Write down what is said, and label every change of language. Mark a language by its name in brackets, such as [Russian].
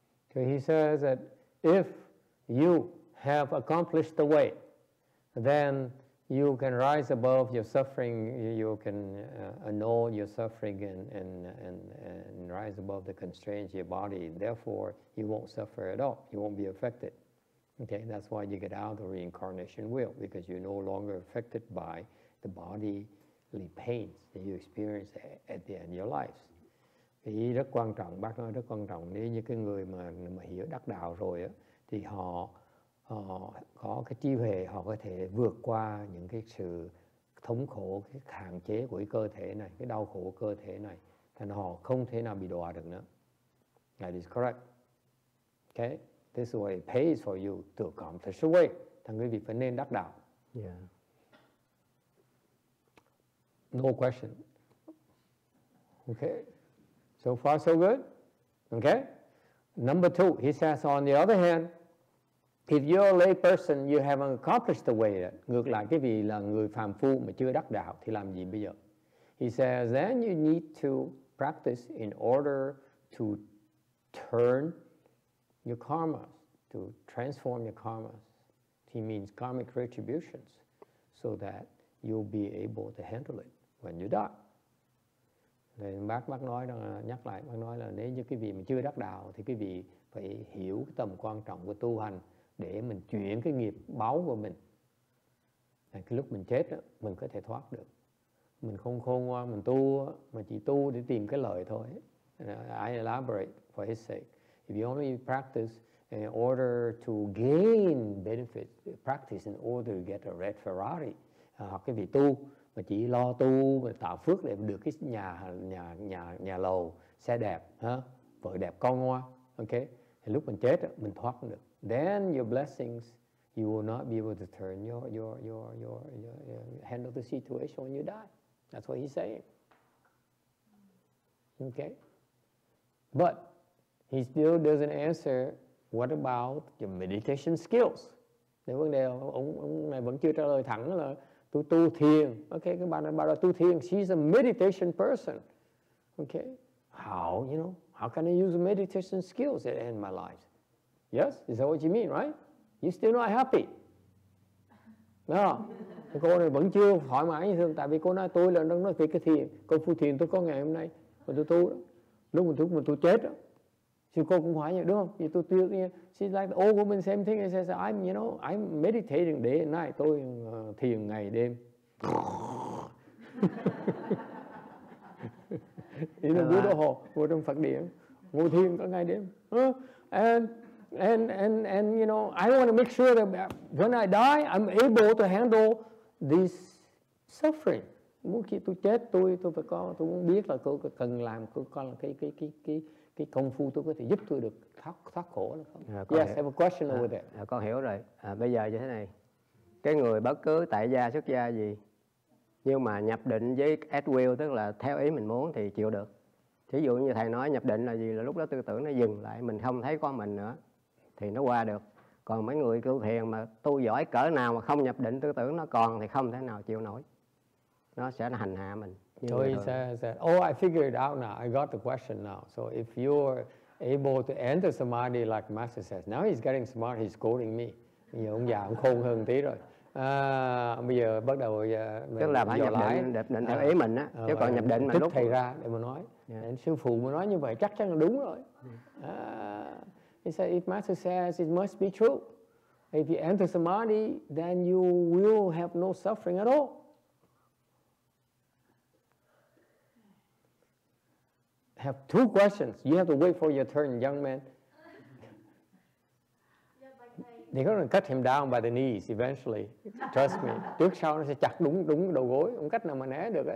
[English] Okay, he says that if you have accomplished the way, then you can rise above your suffering, you can annul your suffering and rise above the constraints of your body. Therefore, you won't suffer at all. You won't be affected. Okay, that's why you get out of the reincarnation wheel, because you're no longer affected by the bodily pains that you experience at the end of your lives. [Vietnamese] Thì rất quan trọng, bác nói rất quan trọng, nếu như cái người mà hiểu đắc đạo rồi á, thì họ có cái trí huệ, họ có thể vượt qua những cái sự thống khổ, cái hạn chế của cái cơ thể này, cái đau khổ của cơ thể này, and họ không thể nào bị đọa được nữa. [English] That is correct. Okay, this way pays for you to come to this way. [Vietnamese] Thằng quý vị phải nên đắc đạo. [English] Yeah. No question. Okay. So far so good. Okay. Number two, he says, on the other hand, if you're a lay person, you haven't accomplished the way yet. [Vietnamese] Ngược lại, cái vị là người phàm phu mà chưa đắc đạo thì làm gì bây giờ? [English] He says, then you need to practice in order to turn your karmas, to transform your karmas. He means karmic retributions, so that you'll be able to handle it when you die. [Vietnamese] Thì bác nói rằng, nhắc lại, bác nói là nếu như cái vị mà chưa đắc đạo thì cái vị phải hiểu cái tầm quan trọng của tu hành để mình chuyển cái nghiệp báo của mình. Là cái lúc mình chết đó, mình có thể thoát được. Mình không khôn ngoan, mình tu, mà chỉ tu để tìm cái lợi thôi. [English] I elaborate for his sake. If you only practice in order to gain benefit, practice in order to get a red Ferrari, [Vietnamese] hoặc cái vị tu mà chỉ lo tu và tạo phước để được cái nhà lầu, xe đẹp, ha? Vợ đẹp, con ngoan, okay? Thì lúc mình chết mình thoát được. [English] Then your blessings, you will not be able to turn your handle the situation when you die. That's what he's saying. Okay. But he still doesn't answer. What about your meditation skills? [Vietnamese] Nếu vấn đề ông này vẫn chưa trả lời thẳng là tôi tu thiền. Okay, các bạn đã bảo là tu thiền. [English] She's a meditation person. Okay. How, you know, how can I use meditation skills to end my life? Yes, is that what you mean, right? You still not happy. No. [Vietnamese] Cô này vẫn chưa thoải mái như thường. Tại vì cô nói tôi là đang nói về cái thiền. Cô phu thiền tôi có ngày hôm nay. Mà tôi tu đó. Lúc mà tôi chết đó. Thì cô cũng hỏi như đúng không? Thì tôi tuyệt nhiên. [English] She's like the old woman, same thing. She says, I'm, you know, I'm meditating day and night. [Vietnamese] Tôi thiền ngày đêm. [English] In the Buddha hall. [Vietnamese] Vô trong Phật điện. Ngồi thiền cả ngày đêm. [English] And you know, I want to make sure that when I die, I'm able to handle this suffering. [Vietnamese] Muốn khi tôi chết, tôi phải có, tôi muốn biết là tôi cần làm, tôi có là cái công phu tôi có thể giúp tôi được thoát khổ là không? [English] Yes, I have a question over there. [Vietnamese] Con hiểu rồi. Bây giờ như thế này, cái người bất cứ tại gia xuất gia gì, nhưng mà nhập định với [English] at will, [Vietnamese] tức là theo ý mình muốn thì chịu được. Thí dụ như thầy nói nhập định là gì, là lúc đó tư tưởng nó dừng lại, mình không thấy con mình nữa, thì nó qua được. Còn mấy người tu thiền mà tu giỏi cỡ nào mà không nhập định tư tưởng nó còn thì không thể nào chịu nổi. Nó sẽ hành hạ mình. [English] So he says that, oh, I figured it out now. I got the question now. So if you're able to enter samadhi like Master says, now he's getting smart, he's quoting me. [Vietnamese] Bây giờ ông già ông khôn hơn tí rồi. Bây giờ bắt đầu tức là phải nhập định theo ý mình á. Chứ còn nhập định mà lúc thầy ra để mà nói. Yeah. Sư phụ mà nói như vậy chắc chắn là đúng rồi. [English] He said, if Master says it must be true, if you enter samadhi, then you will have no suffering at all. Have two questions. You have to wait for your turn, young man. They're going to cut him down by the knees eventually. Trust me. [Vietnamese] Trước sau nó sẽ chặt đúng đầu gối. Không cách nào mà né được.